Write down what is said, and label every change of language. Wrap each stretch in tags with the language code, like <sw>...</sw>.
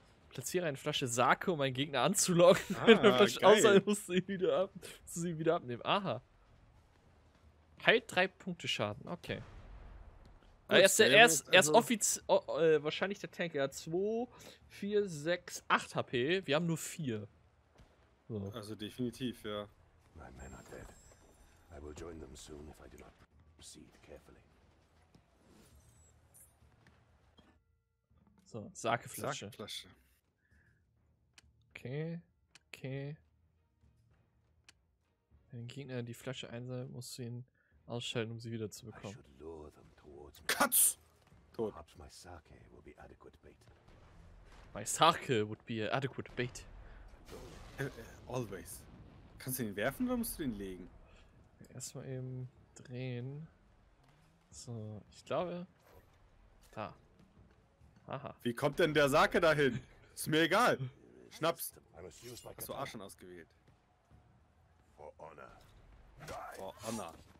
<de>Platziere eine Flasche Sake, um einen Gegner anzulocken. Wenn der Flasche ausfällt, musst du sie wieder abnehmen. Aha. Heilt 3 Punkte Schaden. Okay. Gut, wahrscheinlich der Tank. Er hat 2, 4, 6, 8 HP. Wir haben nur 4. So. Also definitiv, ja.</de> <en>My men are dead. I will join them soon if I do not proceed carefully.</en> <de>So, Sakeflasche. Sakeflasche. Okay. Wenn ein Gegner die Flasche einsammelt, musst du ihn ausschalten, um sie wieder zu bekommen. Katz! Tot.</de> <en>Perhaps my sake will be adequate bait. My sake would be adequate bait. Always.</en> <de>Kannst du ihn werfen oder musst du ihn legen? Erstmal eben drehen. So, ich glaube. Da. Haha. Wie kommt denn der Sake dahin? Ist mir egal. Schnaps. Hast du Arschen ausgewählt?</de> <en>For honor. For honor.</en>